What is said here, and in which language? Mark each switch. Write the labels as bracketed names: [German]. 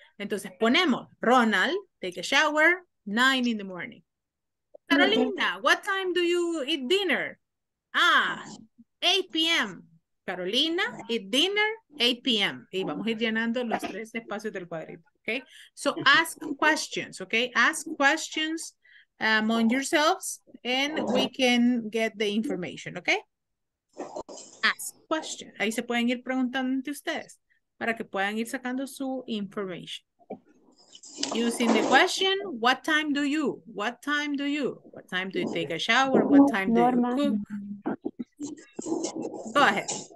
[Spanish] Entonces ponemos, [English] Ronald, take a shower, 9 in the morning. Carolina, what time do you eat dinner? Ah, 8 p.m. Carolina, eat dinner, 8 p.m. [Spanish] Y vamos a ir llenando los 3 espacios del cuadrito, okay? [English] So ask questions, okay? Ask questions among yourselves and we can get the information, okay? Ask questions. [Spanish] Ahí se pueden ir preguntando entre ustedes para que puedan ir sacando su information. [English] Using the question, what time do you? What time do you? What time do you take a shower? What time do you cook? Go ahead.